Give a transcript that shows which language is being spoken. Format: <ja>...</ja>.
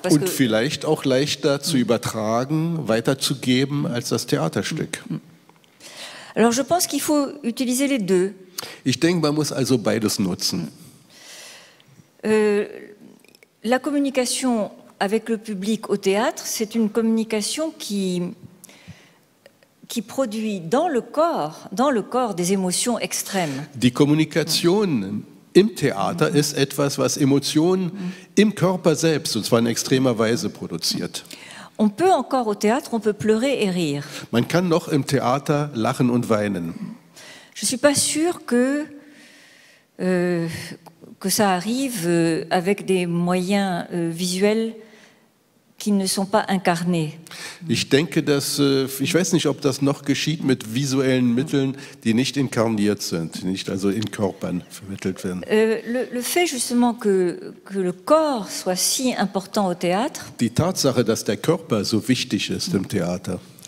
<fr>Parce</fr> <de>Und</de> <fr>que</fr> <de>vielleicht auch leichter zu übertragen, weiterzugeben als das Theaterstück.</de> <fr>Alors je pense qu'il faut utiliser les deux.</fr> <de>Ich denke, man muss also beides nutzen.</de> <fr>La communication avec le public au théâtre, c'est une communication qui produit dans le corps des émotions extrêmes.</fr> <de>Die Kommunikation im Theater ist etwas, was Emotionen im Körper selbst, und zwar in extremer Weise, produziert.</de> <fr>On peut encore au théâtre, on peut pleurer et rire.</fr> <de>Man kann noch im Theater lachen und weinen.</de> <fr>Je suis pas sûr que que ça arrive avec des moyens visuels qui ne sont pas incarnés.</fr> <de>Ich denke, dass ich weiß nicht, ob das noch geschieht mit visuellen Mitteln, die nicht inkarniert sind, nicht also in Körpern vermittelt werden.</de> <fr>Le fait justement que le corps soit si important au théâtre.</fr> <de>Die Tatsache, dass der Körper so wichtig ist im Theater.</de>